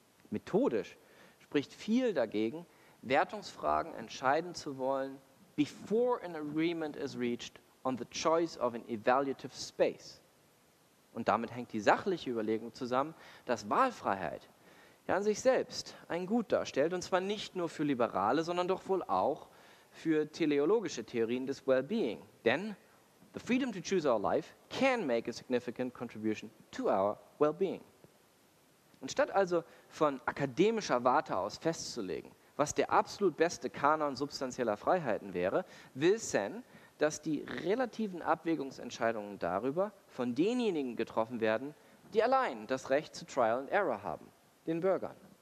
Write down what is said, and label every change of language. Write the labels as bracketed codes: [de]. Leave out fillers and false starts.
[de] Methodisch spricht viel dagegen, Wertungsfragen entscheiden zu wollen, [en] before an agreement is reached on the choice of an evaluative space. [de] Und damit hängt die sachliche Überlegung zusammen, dass Wahlfreiheit ja an sich selbst ein Gut darstellt, und zwar nicht nur für Liberale, sondern doch wohl auch für teleologische Theorien des Well-Being. [en] Denn the freedom to choose our life can make a significant contribution to our well-being. [de] Und statt also von akademischer Warte aus festzulegen, was der absolut beste Kanon substanzieller Freiheiten wäre, will Sen, dass die relativen Abwägungsentscheidungen darüber von denjenigen getroffen werden, die allein das Recht zu Trial and Error haben, den Bürgern.